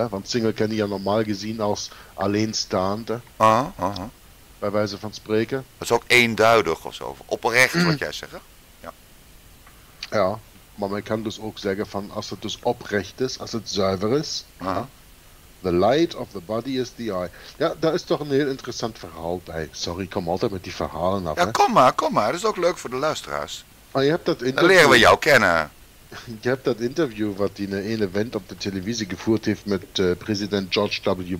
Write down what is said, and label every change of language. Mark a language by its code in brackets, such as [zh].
[nl] Hè? Want single ken je ja normaal gezien als alleenstaande. Bij wijze van spreken. Dat is ook eenduidig of zo. Oprecht, wat jij zegt. Ja. Ja, maar men kan dus ook zeggen van als het dus oprecht is, als het zuiver is. [en] The light of the body is the eye. [nl] Ja, daar is toch een heel interessant verhaal bij. Sorry, ik kom altijd met die verhalen af. Ja, kom maar. Dat is ook leuk voor de luisteraars. Oh, je hebt dat interview. Dan leren we jou kennen. Je hebt dat interview wat die ene vent op de televisie gevoerd heeft met president George W.